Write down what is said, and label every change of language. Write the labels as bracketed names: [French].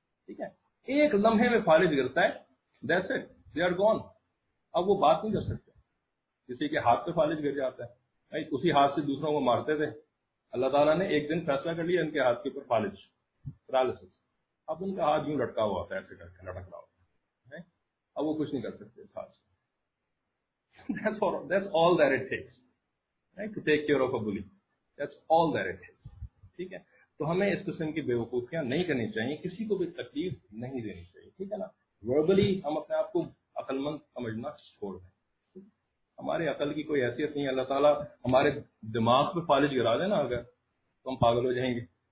[Urdu] ٹھیک ہے, ایک لمحے میں فالج گرتا ہے, [English] that's it, they are gone, [Urdu] اب وہ بات نہیں کر سکتے. کسی کے ہاتھ پہ فالج گر جاتا ہے, رائٹ, اسی ہاتھ سے دوسروں کو مارتے تھے, اللہ تعالیٰ نے ایک دن فیصلہ کر لیا ان کے ہاتھ کے اوپر فالج پیرالیسس, اب ان کا ہاتھ یوں لٹکا ہوا ہوتا ہے ایسے کر کے لٹک رہا ہوتا ہے, اب وہ کچھ نہیں کر سکتے اس ہاتھ سے. [English] That's all that it takes, right? To take care of a bully. That's all that it takes. [Urdu] ٹھیک ہے, تو ہمیں اس قسم کی بیوقوفیاں نہیں کرنی چاہیے, کسی کو بھی تکلیف نہیں دینی چاہیے. ٹھیک ہے نا, وربلی ہم اپنے آپ کو عقل مند سمجھنا چھوڑ دیں, ہمارے عقل کی کوئی حیثیت نہیں ہے. اللہ تعالیٰ ہمارے دماغ پہ فالج گرا دے نا اگر, تو ہم پاگل ہو جائیں گے.